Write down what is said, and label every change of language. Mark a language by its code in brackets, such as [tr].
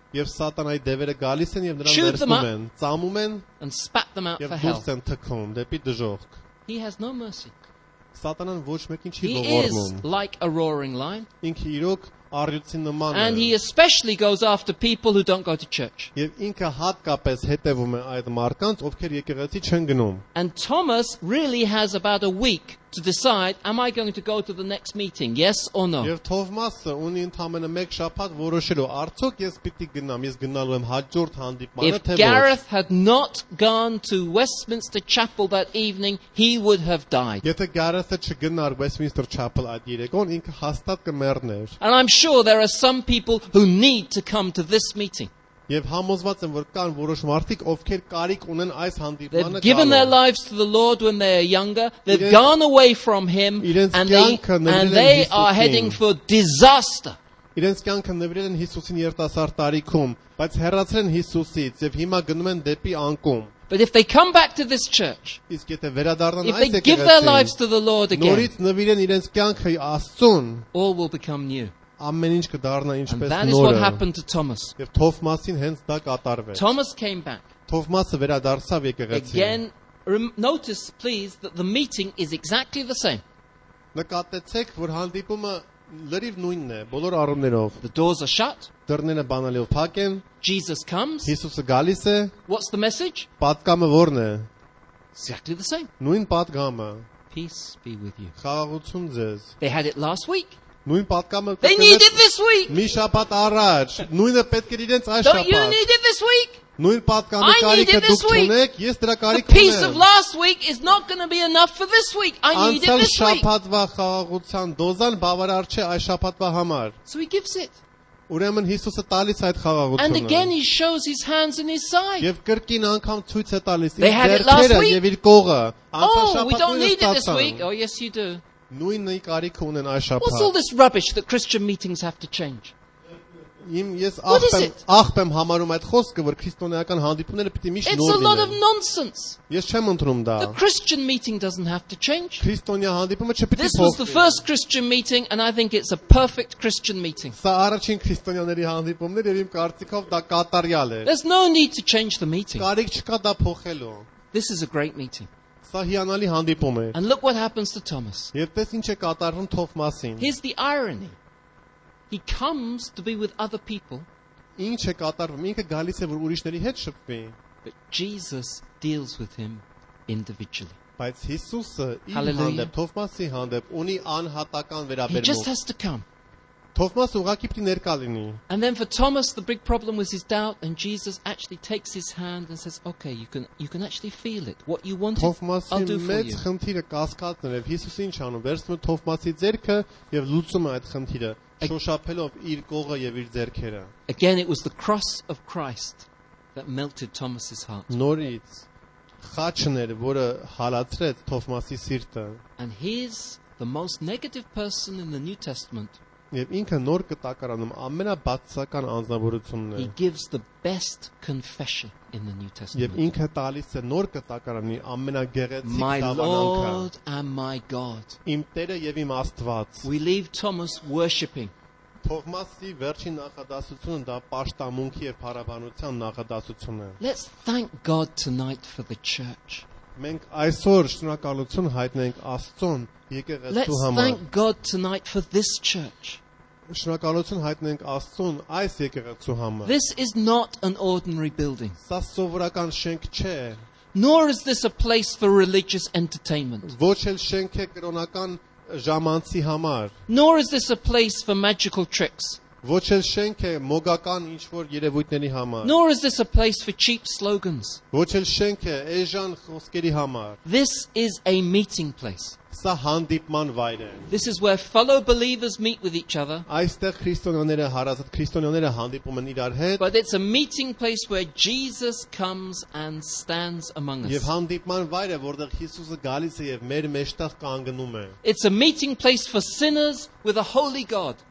[hy] Եվ սատանայի դևերը գալիս են եւ նրան ներսում են, ծամում են եւ դուրս են թքում դեպի դժոխք։ [en] He has no mercy. [hy] Սատանան ոչ մեկին չի ողորմում։ [en] He is like a roaring lion. [hy] Ինքը իրոք առյուծի նման է։ [en] And he especially goes after people who don't go to church. [hy] Եվ ինքը հատկապես հետևում է այդ մարդկանց, ովքեր եկեղեցի չեն գնում։ [en] And Thomas really has about a week to decide, am I going to go to the next meeting, yes or no? [hy] Եվ Թովմասը ունի ընդամենը մեկ շաբաթ որոշելու, արդյոք ես պիտի գնամ, ես գնալու եմ հաջորդ հանդիպմանը, թե ոչ։ [en] If Gareth had not gone to Westminster Chapel that evening, he would have died. [hy] Եթե Gareth-ը չգնար Westminster Chapel այդ երեկոն, ինքը հաստատ կմեռներ։ [en] And I'm sure there are some people who need to come to this meeting. [hy] Եվ համոզված եմ, որ կան որոշ մարդիկ, ովքեր կարիք ունեն այս հանդիպմանը գալու։ [en] They've given their lives to the Lord when they are younger. They've gone away from him and they are heading for disaster. [hy] Իրենց կյանքը նվիրել են Հիսուսին 7000 տարիքում, բայց հեռացել են Հիսուսից եւ հիմա գնում են դեպի անկում։ [en] But if they come back to this church, if they give their lives to the Lord again, [hy] նորից նվիրեն իրենց կյանքը Աստծուն, [en] all will become new. [hy] Ամեն ինչ կդառնա ինչպես նորը. [en] And that is what happened to Thomas. [hy] Եվ Թովմասին հենց դա կատարվեց. [en] Thomas came back. [hy] Թովմասը վերադարձավ եկեղեցին. [en] Again, notice please that the meeting is exactly the same. [hy] Նկատեցեք, որ հանդիպումը լրիվ նույնն է, բոլոր առումներով. [en] The doors are shut. [hy] Դռները բանալիով փակ են. [en] Jesus comes. [hy] Հիսուսը գալիս է. [en] What's the message? [hy] Պատգամը ո՞րն է. [en] Exactly the same. [hy] Նույն պատգամը. [en] Peace be with you. [hy] Խաղաղություն ձեզ. [en] They had it last week. [hy] Նույն պատկամը կա։ [en] They need it this week. [hy] Մի շաբաթ առաջ, նույնը պետք էր իրենց այս շաբաթ։ [en] Don't you need it this week? [hy] Նույն պատկամը կարիքը դուք ունեք, ես դրա կարիքը ունեմ։ [en] Peace of last week is not going to be enough for this week. I need it this week. [hy] Այս շաբաթվա խաղաղության դոզան բավարար չէ այս շաբաթվա համար։ [en] So he gives it. [hy] Ուրեմն Հիսուսը տալիս է այդ խաղաղությունը։ [en] And again he shows his hands and his side. [hy] Եվ կրկին անգամ ցույց է տալիս իր ձեռքերը եւ իր կողը։ Անցած շաբաթը ստացավ։ [en] Oh, we don't need it this week. Oh, yes you do. [hy] Նույնը կարիք ունեն այս շաբաթ։ [en] What's all this rubbish that Christian meetings have to change? [hy] Իմ ես ախպեմ համարում այդ խոսքը, որ քրիստոնեական հանդիպումները պիտի միշտ նոր լինեն։ [en] It's a lot of nonsense. [hy] Ես չեմ ընդունում դա։ [en] The Christian meeting doesn't have to change. [hy] Քրիստոնյա հանդիպումը չպիտի փոխվի։ [en] This was the first Christian meeting and I think it's a perfect Christian meeting. [hy] Սա առաջին քրիստոնյաների հանդիպումն էր եւ իմ կարծիքով դա կատարյալ է։ [en] There's no need to change the meeting. [hy] Կարիք չկա դա փոխելու։ [en] This is a great meeting. [hy] Սա հիանալի հանդիպում է։ [en] And look what happens to Thomas. [hy] Եվ տես ինչ է կատարվում Թովմասին։ [en] Here's the irony. He comes to be with other people. [hy] Ինչ է կատարվում, ինքը գալիս է որ ուրիշների հետ շփվի։ [en] But Jesus deals with him individually. [hy] Բայց Հիսուսը իր հանդեպ Թովմասի հանդեպ ունի անհատական վերաբերմունք։ [en] He just has to come. [hy] Թովմասը ուղղակի պիտի ներկա լինի։ [en] And then for Thomas the big problem was his doubt and Jesus actually takes his hand and says, "Okay, you can actually feel it. What you wanted, I'll do for you." [hy] Թովմասի մեծ խնդիրը կասկածն է, Հիսուսը ինչ անում, վերցնում է Թովմասի ձեռքը եւ լուծում է այդ խնդիրը, շոշափելով իր կողը եւ իր ձեռքերը։ [en] Again it was the cross of Christ that melted Thomas's heart. [hy] Նորից խաչն էր, որը հալածրեց Թովմասի սիրտը։ [en] And his the most negative person in the New Testament. [hy] Եվ ինքը նոր կտակարանում ամենաբացական անձնավորությունն է. [en] He gives the best confession in the New Testament. [hy] Եվ ինքը տալիս է նոր կտակարանի ամենագեղեցիկ դավանանքը. [en] My Lord and my God. [hy] Իմ Տերը եւ իմ Աստված. [en] We leave Thomas worshiping. [hy] Թոմասի վերջին նախադասությունը դա պաշտամունքի եւ փառաբանության նախադասությունն է. [en] Let's thank God tonight for the church. [hy] Մենք այսօր շնորհակալություն հայտնենք Աստծուն եկեղեցու [en] Let's [hy] համար. [en] Let's thank God tonight for this church. [hy] Շնորհակալություն հայտնենք Աստծուն այս եկեղեցու համար. [en] This is not an ordinary building. [hy] Սա սովորական շենք չէ. [en] Nor is this a place for religious entertainment. [hy] Ոչ էլ շենք է կրոնական ժամանցի համար. [en] Nor is this a place for magical tricks. [hy] Ոչ էլ շենք է մոգական ինչ-որ երևույթների համար. [en] Nor is this a place for cheap slogans. [hy] Ոչ էլ շենք է էժան խոսքերի համար. [en] This is a meeting place. [hy] Սա հանդիպման վայր է. [en] This is where fellow believers meet with each other. [hy] Այստեղ քրիստոնյաները հարազատ քրիստոնյաները հանդիպում են իրար հետ. [en] But it's a meeting place where Jesus comes and stands among us. [hy] Եվ հանդիպման վայր է, որտեղ Հիսուսը գալիս է եւ մեր մեջտեղ կանգնում է. [en] It's a meeting place for sinners with a holy God.